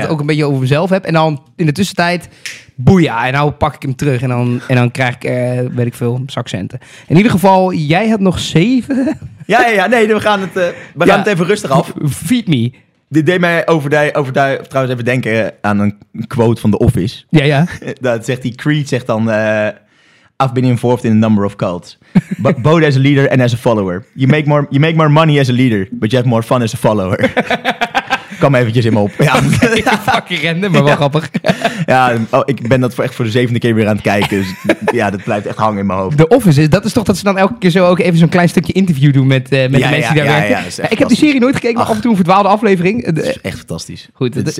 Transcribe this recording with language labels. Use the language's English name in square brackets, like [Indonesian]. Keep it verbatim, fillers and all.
[Dutch] het ook een beetje over mezelf heb. En dan in de tussentijd, boeia. En nou pak ik hem terug. En dan, en dan krijg ik, eh, weet ik veel, zakcenten. In ieder geval, jij had nog zeven. Ja, ja, ja. Nee, we gaan het, eh, we Ja. gaan het even rustig af. [English] Feed me. [Dutch] Dit deed mij overdij, overdij, trouwens even denken aan een quote van The Office. Ja, ja. Dat zegt die Creed, zegt dan... [English] eh, I've been involved in a number of cults. But both as a leader and as a follower. You make more, you make more money as a leader, but you have more fun as a follower. [Dutch] Kom eventjes in me op. Ja, Fucking rende, maar wel grappig. ja oh, ik ben dat voor echt voor de zevende keer weer aan het kijken. Dus ja, dat blijft echt hangen in mijn hoofd. De Office, is, dat is toch dat ze dan elke keer zo ook even zo'n klein stukje interview doen met, eh, met Ja, de mensen ja, die daar ja, werken. ja, dat is echt ik heb die fantastisch. serie nooit gekeken, maar Ach. af en toe een verdwaalde aflevering. Eh, Het de- is echt fantastisch. Goed, het, dat-